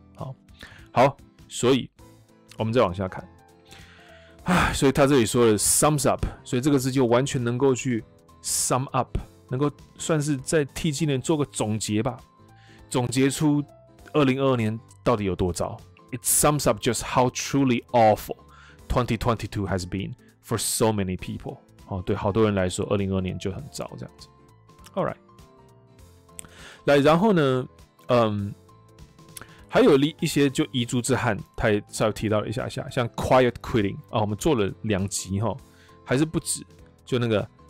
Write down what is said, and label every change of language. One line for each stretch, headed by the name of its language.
Chinese: 好，好，所以我们再往下看。所以他这里说的 sums up， 所以这个字就完全能够去 sum up。能够算是在替今年做个总结吧，总结出2022年到底有多糟。
English: It sums up just how truly awful 2022 has been for so many people。
Chinese: 哦，对，好多人来说， 2022年就很糟这样子。
English: All right，
Chinese: 来，然后呢，还有一些就遗珠之憾，他也稍微提到了一下下，像 quiet quitting 啊、哦，我们做了两集哈、哦，还是不止，就那个。